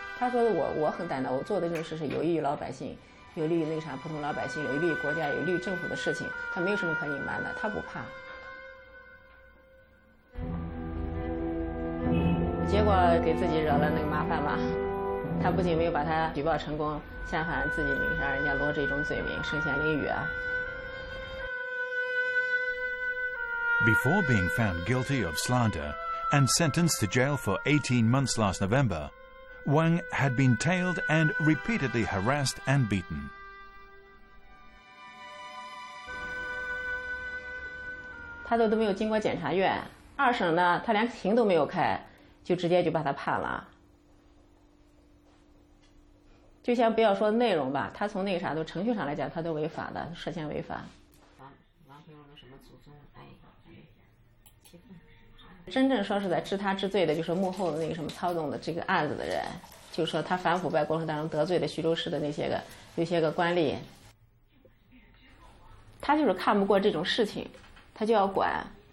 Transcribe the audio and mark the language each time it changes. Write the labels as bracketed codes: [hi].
[zh] 他说我很胆大，我做的这种事是有益于老百姓，有利于那个啥普通老百姓，有利于国家，有利于政府的事情，他没有什么可隐瞒的，他不怕。结果给自己惹了那个麻烦嘛，他不仅没有把他举报成功，相反自己那个啥人家罗这种罪名，身陷囹圄啊。 [en] Before being found guilty of slander and sentenced to jail for 18 months last November, Wang had been tailed and repeatedly harassed and beaten. He had never been to the court. The second court, he had not even opened the court, he just sentenced him. Not to say the content, but from the procedure point of view, he was in violation, he was in violation. [zh] 真正说是在治他治罪的，就是幕后的那个什么操纵的这个案子的人，就是说他反腐败过程当中得罪的徐州市的那些个有些个官吏，他就是看不过这种事情，他就要管。